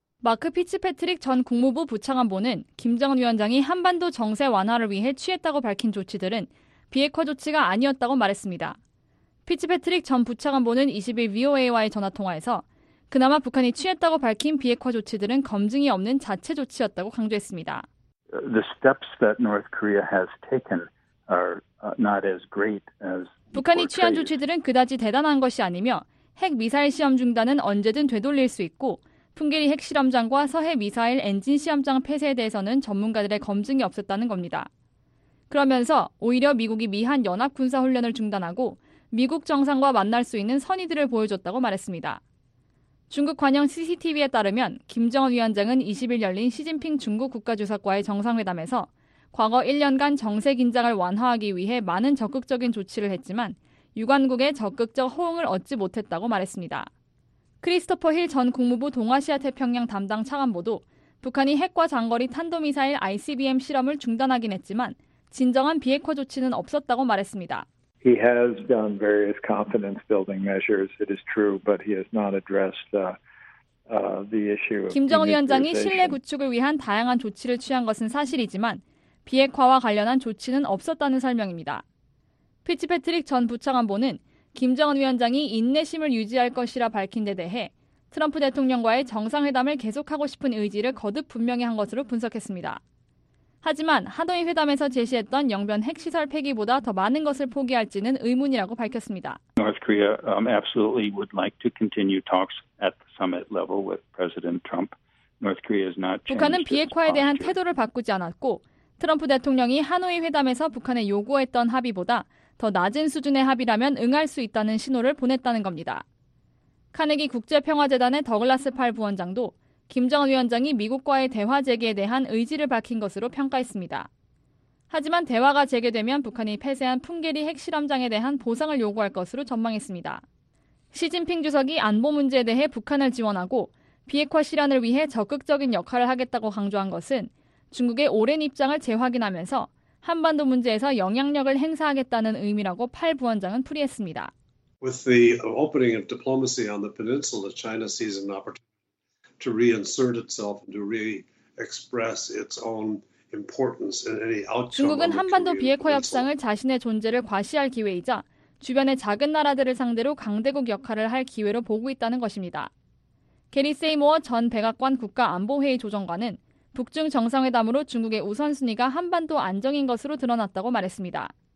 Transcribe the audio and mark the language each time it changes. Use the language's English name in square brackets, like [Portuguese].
[Korean] 마크 피츠패트릭 전 국무부 부차관보는 김정은 위원장이 한반도 정세 완화를 위해 취했다고 밝힌 조치들은 비핵화 조치가 아니었다고 말했습니다. 피츠패트릭 전 부차관보는 20일 VOA와의 전화통화에서 그나마 북한이 취했다고 밝힌 비핵화 조치들은 검증이 없는 자체 조치였다고 강조했습니다. [English] The steps that North Korea has taken are not as great as [Korean] 북한이 취한 조치들은 그다지 대단한 것이 아니며 핵미사일 시험 중단은 언제든 되돌릴 수 있고 풍계리 핵실험장과 서해 미사일 엔진 시험장 폐쇄에 대해서는 전문가들의 검증이 없었다는 겁니다. 그러면서 오히려 미국이 미한 연합군사훈련을 중단하고 미국 정상과 만날 수 있는 선의들을 보여줬다고 말했습니다. 중국 관영 CCTV에 따르면 김정은 위원장은 20일 열린 시진핑 중국 국가주석과의 정상회담에서 과거 1년간 정세 긴장을 완화하기 위해 많은 적극적인 조치를 했지만 유관국의 적극적 호응을 얻지 못했다고 말했습니다. 크리스토퍼 힐 전 국무부 동아시아태평양 담당 차관보도 북한이 핵과 장거리 탄도미사일 ICBM 실험을 중단하긴 했지만 진정한 비핵화 조치는 없었다고 말했습니다. [English] He has done various confidence building measures. It is true, but he has not addressed the issue. [Korean] 김정은 위원장이 신뢰 구축을 위한 다양한 조치를 취한 것은 사실이지만 비핵화와 관련한 조치는 없었다는 설명입니다. 피츠패트릭 전 부차관보는 김정은 위원장이 인내심을 유지할 것이라 밝힌 데 대해 트럼프 대통령과의 정상회담을 계속하고 싶은 의지를 거듭 분명히 한 것으로 분석했습니다. 하지만 하노이 회담에서 제시했던 영변 핵시설 폐기보다 더 많은 것을 포기할지는 의문이라고 밝혔습니다. [English] North Korea absolutely would like to continue talks at the summit level with President Trump. North Korea is not [Korean] 북한은 비핵화에 대한 태도를 바꾸지 않았고 트럼프 대통령이 하노이 회담에서 북한에 요구했던 합의보다 더 낮은 수준의 합의라면 응할 수 있다는 신호를 보냈다는 겁니다. 카네기 국제평화재단의 더글라스 팔 부원장도 김정은 위원장이 미국과의 대화 재개에 대한 의지를 밝힌 것으로 평가했습니다. 하지만 대화가 재개되면 북한이 폐쇄한 풍계리 핵실험장에 대한 보상을 요구할 것으로 전망했습니다. 시진핑 주석이 안보 문제에 대해 북한을 지원하고 비핵화 실현을 위해 적극적인 역할을 하겠다고 강조한 것은 중국의 오랜 입장을 재확인하면서 한반도 문제에서 영향력을 행사하겠다는 의미라고 팔 부원장은 풀이했습니다. [English] With the opening of diplomacy on the peninsula, China sees an opportunity to reinsert itself and to re-express its own importance in any outcome. [Korean] 중국은 한반도 비핵화 협상을 자신의 존재를 과시할 기회이자 주변의 작은 나라들을 상대로 강대국 역할을 할 기회로 보고 있다는 것입니다. 게리 세이모어 전 백악관 국가안보회의 조정관은 북중 정상회담으로 중국의 우선순위가 한반도 안정인 것으로 드러났다고 말했습니다.